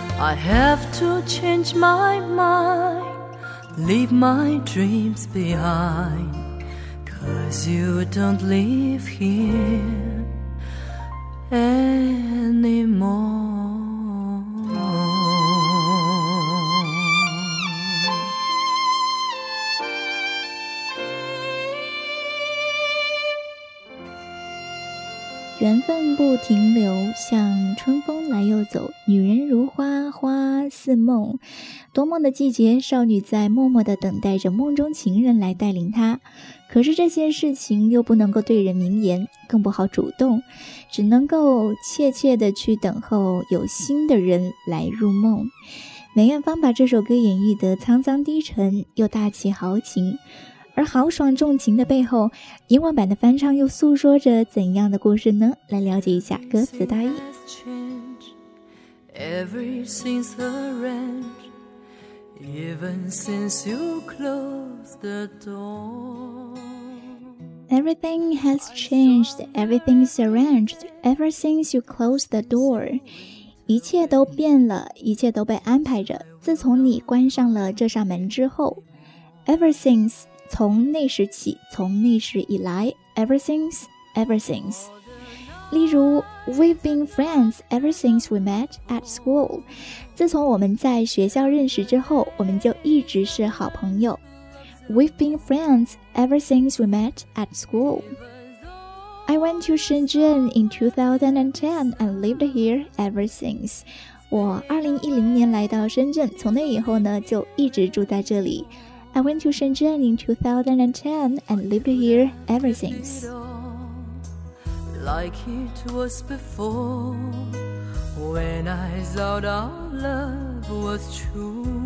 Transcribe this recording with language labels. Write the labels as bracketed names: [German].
[English] I have to change my mind, leave my dreams behind, 'cause you don't live hereAnymore. [Chinese] 缘分不停留，像春风来又走，女人如花，花似梦，多梦的季节，少女在默默地等待着梦中情人来带领她，可是这些事情又不能够对人明言，更不好主动，只能够怯怯地去等候有新的人来入梦。梅艳芳把这首歌演绎得沧桑低沉又大气豪情，而豪爽重情的背后，英文版的翻唱又诉说着怎样的故事呢？来了解一下歌词大意。 [English] Everything has changed, ever since the rain, even since you closed the door. Everything has changed, everything is arranged, ever since you closed the door. [Chinese] 一切都变了，一切都被安排着，自从你关上了这扇门之后。 [English] Ever since, [Chinese] 从那时起，从那时以来。 [English] Ever since, ever since. [Chinese] 例如 [English] We've been friends ever since we met at school. [Chinese] 自从我们在学校认识之后，我们就一直是好朋友。 [English] We've been friends ever since we met at school. I went to Shenzhen in 2010 and lived here ever since. [Chinese] 我2010年来到深圳，从那以后呢，就一直住在这里。 [English] I went to Shenzhen in 2010 and lived here ever since. Like it was before, when I thought our love was true.